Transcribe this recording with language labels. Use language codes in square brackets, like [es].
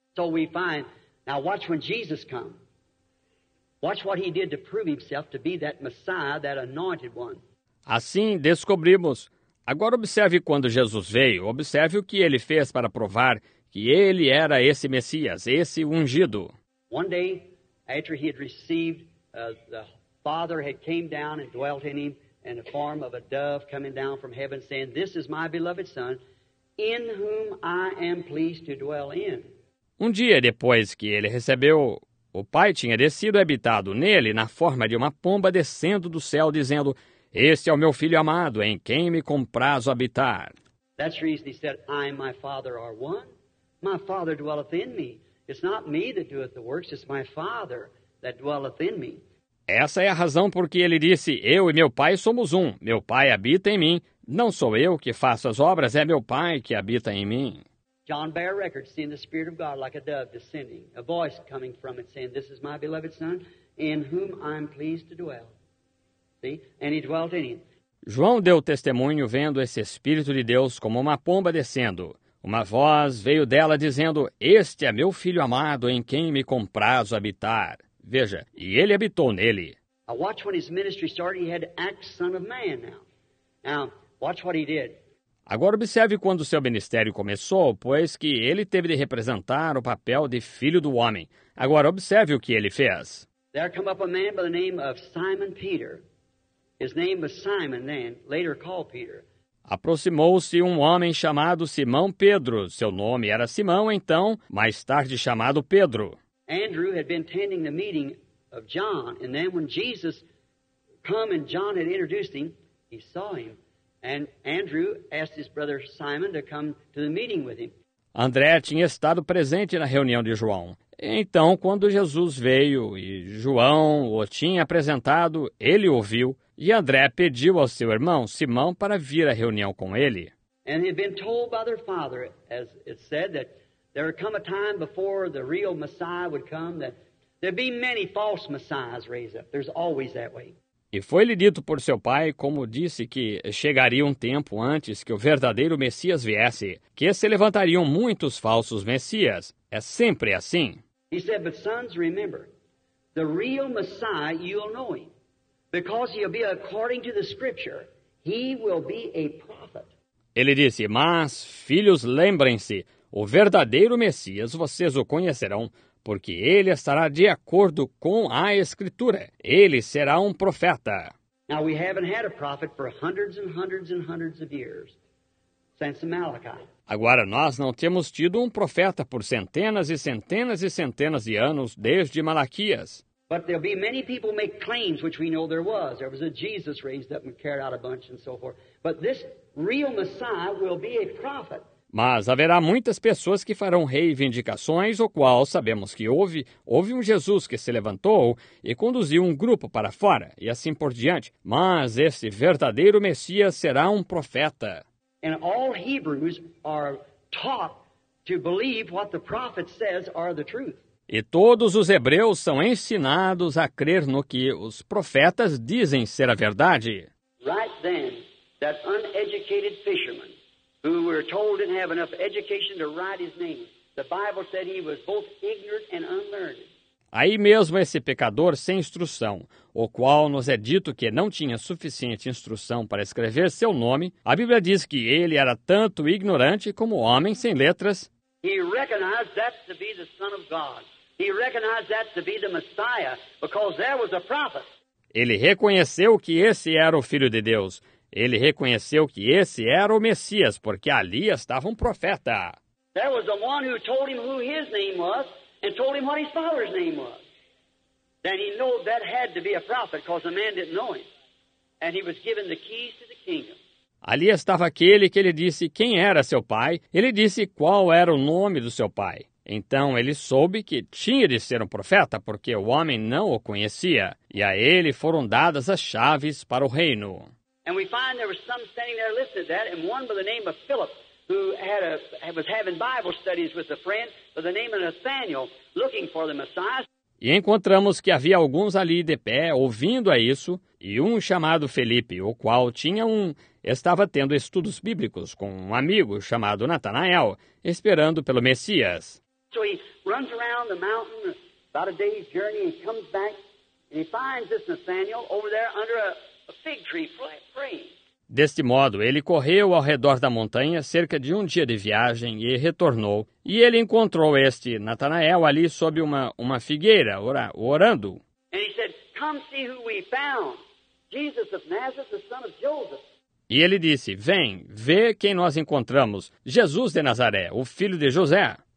[en] So we find, now watch when Jesus come. Watch what he did to prove himself to be that Messiah, that anointed one. [pt] Assim descobrimos. Agora observe quando Jesus veio. Observe o que ele fez para provar que ele era esse Messias, esse ungido. [en] One day, after he had received, the Father had came down and dwelt in him in the form of a dove coming down from heaven saying, "This is my beloved Son, in whom I am pleased to dwell in." [pt] Um dia depois que ele recebeu, o Pai tinha descido e habitado nele na forma de uma pomba descendo do céu dizendo, "Este é o meu filho amado, em quem me compraz habitar." [en] That's the reason he said, "I and my Father are one. My Father dwelleth in me. It's not me that doeth the works, it's my Father that dwelleth in me." [pt] Essa é a razão porque ele disse, "Eu e meu Pai somos um. Meu Pai habita em mim. Não sou eu que faço as obras, é meu Pai que habita em mim." [en] John bear record, seeing the Spirit of God like a dove descending, a voice coming from it saying, "This is my beloved Son, in whom I'm pleased to dwell." And he dwelt in him. [pt] João deu testemunho vendo esse Espírito de Deus como uma pomba descendo. Uma voz veio dela dizendo, "Este é meu Filho amado em quem me compraz habitar." Veja, e ele habitou nele. [en] Now watch when his ministry started, he had to act Son of Man now. Now, Watch what he did. [pt] Agora observe quando o seu ministério começou, pois que ele teve de representar o papel de filho do homem. Agora observe o que ele fez. [en] There came up a man by the name of Simon Peter. His name was Simon then, later called Peter. [pt] Aproximou-se um homem chamado Simão Pedro. Seu nome era Simão, então, mais tarde chamado Pedro. [en] Andrew had been attending the meeting of John, and then when Jesus came and John had introduced him, he saw him. And Andrew asked his brother Simon to come to the meeting with him. [pt] André tinha estado presente na reunião de João. Então, quando Jesus veio e João o tinha apresentado, ele ouviu. E André pediu ao seu irmão Simão para vir à reunião com ele. [en] And he'd been told by their father, as it said, that there had come a time before the real Messiah would come, that there'd be many false messiahs raised up. There's always that way. [pt] E foi-lhe dito por seu pai, como disse, que chegaria um tempo antes que o verdadeiro Messias viesse, que se levantariam muitos falsos Messias. É sempre assim. [en] He said, but sons, remember, the real Messiah, you'll know him. Because he'll be according to the scripture, he will be a prophet. [pt] Ele disse, mas, filhos, lembrem-se, o verdadeiro Messias vocês o conhecerão, porque ele estará de acordo com a Escritura. Ele será um profeta. [en] Now we haven't had a prophet for hundreds and hundreds and hundreds of years since Malachi. [pt] Agora nós não temos tido um profeta por centenas e centenas e centenas de anos desde Malaquias. [en] But there'll be many people make claims which we know there was. There was a Jesus raised up and carried out a bunch and so forth. But this real Messiah will be a prophet. [pt] Mas haverá muitas pessoas que farão reivindicações, o qual sabemos que houve um Jesus que se levantou e conduziu um grupo para fora, e assim por diante. Mas esse verdadeiro Messias será um profeta. [en] And all Hebrews are taught to believe what the prophet says are the truth. [pt] E todos os hebreus são ensinados a crer no que os profetas dizem ser a verdade. [en] Right then, that uneducated fisherman, who were told didn't have enough education to write his name. The Bible said he was both ignorant and unlearned. [pt] Aí mesmo esse pecador sem instrução, o qual nos é dito que não tinha suficiente instrução para escrever seu nome, a Bíblia diz que ele era tanto ignorante como homem sem letras. [en] He recognized that to be the Son of God. He recognized that to be the Messiah, because there was a prophet. [pt] Ele reconheceu que esse era o Filho de Deus. Ele reconheceu que esse era o Messias, porque ali estava um profeta. [en] There was the one who told him who his name was and told him what his father's name was. Then he knew that had to be a prophet, because the man didn't know him. And he was given the keys to the kingdom. [pt] Ali estava aquele que ele disse quem era seu pai. Ele disse qual era o nome do seu pai. Então ele soube que tinha de ser um profeta, porque o homem não o conhecia. E a ele foram dadas as chaves para o reino. [en] And we find there was some standing there listening to that, and one by the name of Philip, who was having Bible studies with a friend by the name of Nathanael, looking for the Messiah. [pt] E encontramos que havia alguns ali de pé ouvindo a isso, e um chamado Felipe, o qual estava tendo estudos bíblicos com um amigo chamado Nathanael, esperando pelo Messias. [en] So he runs around the mountain about a day's journey and comes back, and he finds this Nathanael over there under a fig tree praying. [pt] Deste modo, ele correu ao redor da montanha cerca de um dia de viagem e retornou. E ele encontrou este Natanael ali sob uma figueira, orando. [en] And he said, come see who we found. Jesus of Nazareth, the son of Joseph. [pt] E ele disse, vem, vê quem nós encontramos. Jesus de Nazaré, o filho de José.